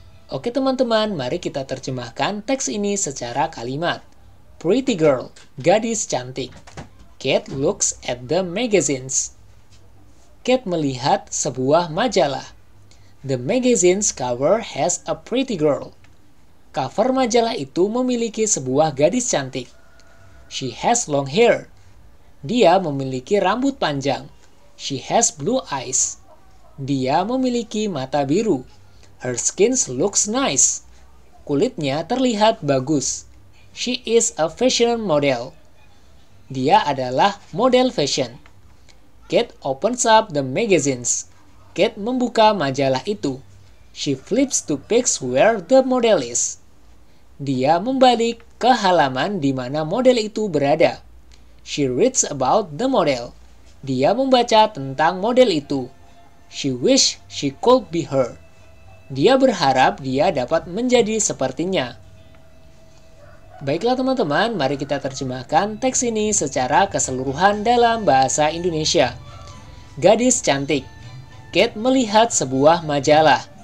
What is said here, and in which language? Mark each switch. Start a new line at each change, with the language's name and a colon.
Indonesian: Oke teman-teman, mari kita terjemahkan teks ini secara kalimat.
English: Pretty girl,
Indonesian: gadis cantik.
English: Kate looks at the magazines.
Indonesian: Kate melihat sebuah majalah.
English: The magazine's cover has a pretty girl.
Indonesian: Cover majalah itu memiliki sebuah gadis cantik.
English: She has long hair.
Indonesian: Dia memiliki rambut panjang.
English: She has blue eyes.
Indonesian: Dia memiliki mata biru.
English: Her skin looks nice.
Indonesian: Kulitnya terlihat bagus.
English: She is a fashion model.
Indonesian: Dia adalah model fashion.
English: Kate opens up the magazines.
Indonesian: Kate membuka majalah itu.
English: She flips to pics where the model is.
Indonesian: Dia membalik ke halaman di mana model itu berada.
English: She reads about the model.
Indonesian: Dia membaca tentang model itu.
English: She wishes she could be her.
Indonesian: Dia berharap dia dapat menjadi sepertinya. Baiklah teman-teman, mari kita terjemahkan teks ini secara keseluruhan dalam bahasa Indonesia. Gadis cantik. Kate melihat sebuah majalah.